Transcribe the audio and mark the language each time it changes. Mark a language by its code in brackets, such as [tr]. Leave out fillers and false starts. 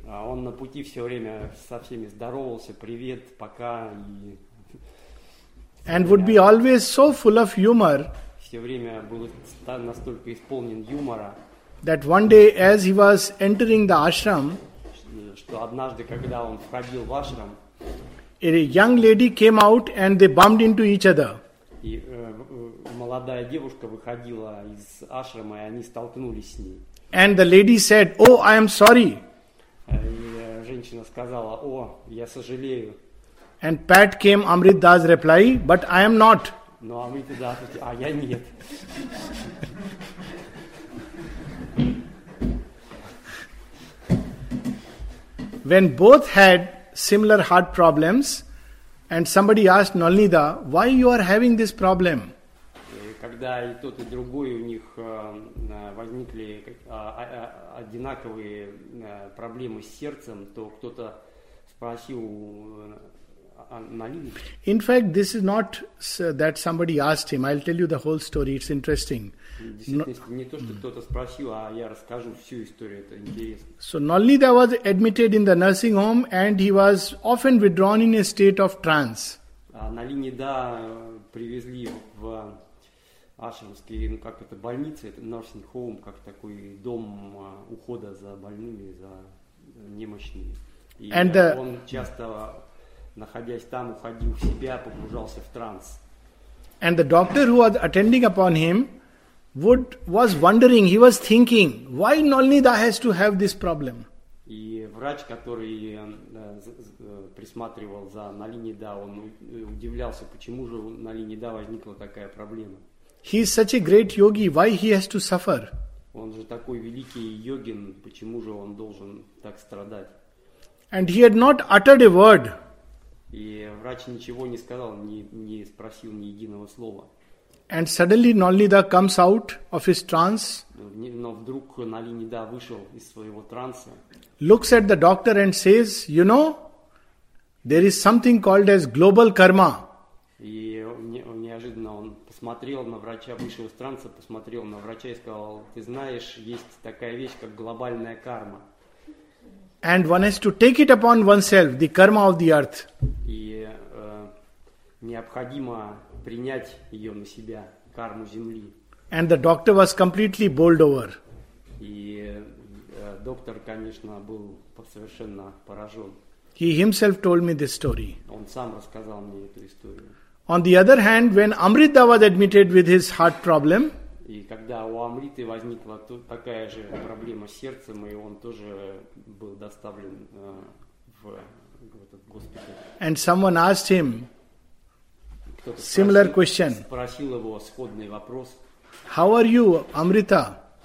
[ru] А он на пути все время со всеми здоровался, привет, пока. [en] And would be always so full of humor. [ru] Все время был настолько исполнен юмора. [en] That one day as he was entering the ashram, [ru] что однажды, когда он входил в ашрам, [en] a young lady came out and they bumped into each other. [ru] И молодая девушка выходила из ашрама, и они столкнулись с ней. [en] And the lady said, "Oh, I am sorry." [ru] И женщина сказала, "О, я сожалею." [en] And Pat came Amrit Das reply, "But I am not." [ru] Но Амрит Дас, а я нет. [en] When both had similar heart problems, and somebody asked Nalinda, "Why you are having this problem?" [ru] Когда и тот и другой у них возникли одинаковые проблемы с сердцем, то кто-то спросил Nalinda. [en] In fact, this is not that somebody asked him. I'll tell you the whole story. It's interesting. [ru] Не то, что кто-то спросил, а я расскажу всю историю, это интересно. [en] So Nalinda was admitted in the nursing home and he was often withdrawn in a state of trance. [ru] Nalinda привезли в ашрамский, ну как это, больница, это nursing home, как такой дом ухода за больными, за немощными. И [en] and the... [ru] он часто, находясь там, уходил в себя, погружался в транс. [en] And the doctor who was attending upon him was wondering, he was thinking, why Nalinda has to have this problem? [ru] И врач, который присматривал за Nalinda, он удивлялся, почему же у Nalinda возникла такая проблема. [en] He is such a great yogi, why he has to suffer? [ru] Он же такой великий йогин, почему же он должен так страдать? [en] And he had not uttered a word. [ru] И врач ничего не сказал, не спросил ни единого слова. [en] And suddenly Nalinda comes out of his trance. [ru] Но вдруг Nalinda вышел из своего транса. [en] Looks at the doctor and says, "You know, there is something called as global karma." [ru] И неожиданно он посмотрел на врача, вышел из транса, посмотрел на врача и сказал, "Ты знаешь, есть такая вещь, как глобальная карма." [en] And one has to take it upon oneself, the karma of the earth. [ru] И необходимо принять ее на себя, карму земли. [en] And the doctor was completely bowled over. [ru] И доктор, конечно, был совершенно поражен. [en] He himself told me this story. [ru] Он сам рассказал мне эту историю. [en] On the other hand, when Amrita was admitted with his heart problem, [ru] и когда у Амриты возникла такая же проблема с сердцем, и он тоже был доставлен в этот госпиталь. [en] And someone asked him similar question. [ru] Спросил его сходный вопрос. [en] How are you, Amrita?